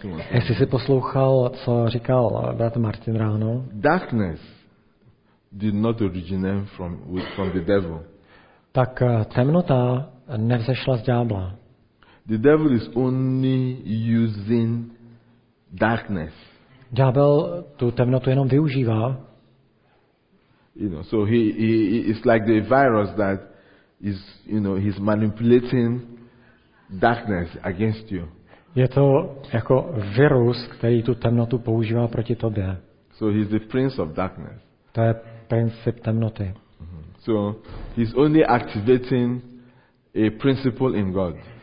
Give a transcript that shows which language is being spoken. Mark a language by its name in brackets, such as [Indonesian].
[Czech] Jestli si poslouchal, co říkal brat Martin ráno? [English] Darkness did not originate from the devil. [Czech] Tak temnota nevzešla z ďábla. [English] The devil is only using darkness. [Czech] Ďábel tu temnotu jenom využívá. [English] You know, so he it's like the virus that is, you know, he's manipulating darkness against you. [Czech] Je to jako virus, který tu temnotu používá proti tobě. [English] So he's the prince of darkness. [Czech] To je princip temnoty. Mm-hmm. [English] So he's only activating a principle in God.